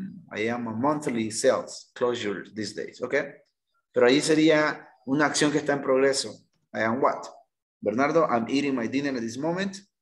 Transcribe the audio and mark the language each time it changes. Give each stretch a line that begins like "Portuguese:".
English: I am a monthly sales closure these days, okay?
Spanish: Pero ahí sería una acción que está en progreso.
English: I am what? Bernardo, I'm eating my dinner at this moment.